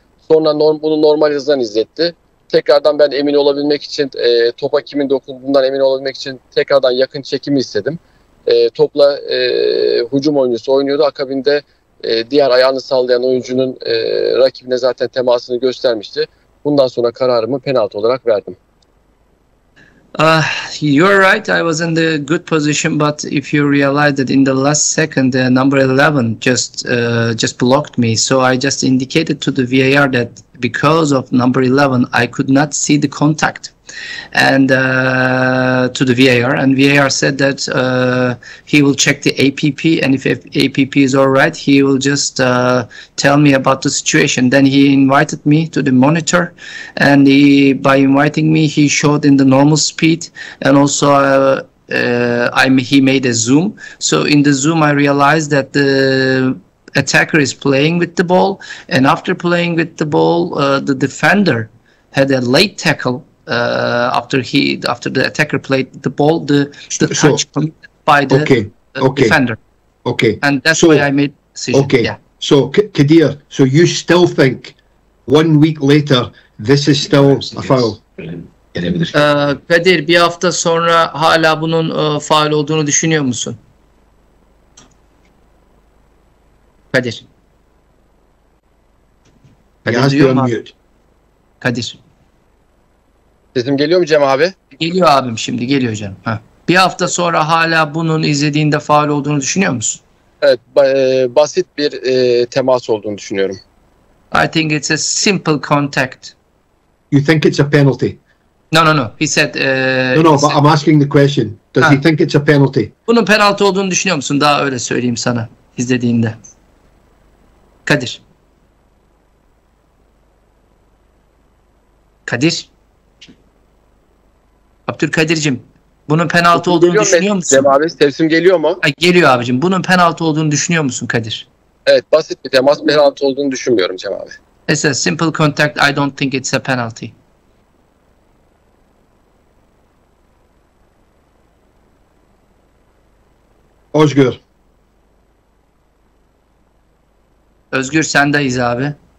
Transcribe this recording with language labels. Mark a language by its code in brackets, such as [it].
[tr] Sonra bunu normal hızdan izletti. Tekrardan ben emin olabilmek için, topa kimin dokunduğundan emin olabilmek için tekrardan yakın çekimi istedim. Topla hücum oyuncusu oynuyordu. Akabinde diğer ayağını sallayan oyuncunun rakibine zaten temasını göstermişti. Bundan sonra kararımı penaltı olarak verdim. [en] You're right, I was in the good position, but if you realize that in the last second number 11 just blocked me, so I just indicated to the VAR that because of number 11 I could not see the contact, and to the VAR, and VAR said that he will check the APP, and if APP is all right he will just tell me about the situation. Then he invited me to the monitor, and he, by inviting me, he showed in the normal speed, and also he made a zoom. So in the zoom I realized that the attacker is playing with the ball, and after playing with the ball the defender had a late tackle. After the attacker played the ball, the touch by the defender. Okay. And that's why I made decision. Okay. Yeah. So Kadir, so you still think 1 week later this is still a foul? [tr] Kadir, bir hafta sonra hala bunun faul olduğunu düşünüyor musun? Kadir. Kadir. Sesim geliyor mu Cem abi? Geliyor abim, şimdi geliyor canım. Bir hafta sonra hala bunun izlediğinde faul olduğunu düşünüyor musun? Evet, basit bir temas olduğunu düşünüyorum. [en] I think it's a simple contact. You think it's a penalty? No. He said... I'm asking the question. Does he think it's a penalty? [tr] Bunun penaltı olduğunu düşünüyor musun? Daha öyle söyleyeyim sana izlediğinde. Kadir. Kadir. Abdülkadir'cim, bunun penaltı olduğunu düşünüyor musun? Cem abi, sesim geliyor mu? Geliyor abicim. Bunun penaltı olduğunu düşünüyor musun Kadir? Evet, basit bir temas, penaltı olduğunu düşünmüyorum Cem abi. [en] It's a simple contact, I don't think it's a penalty. [tr] Özgür. Özgür, sendeyiz abi.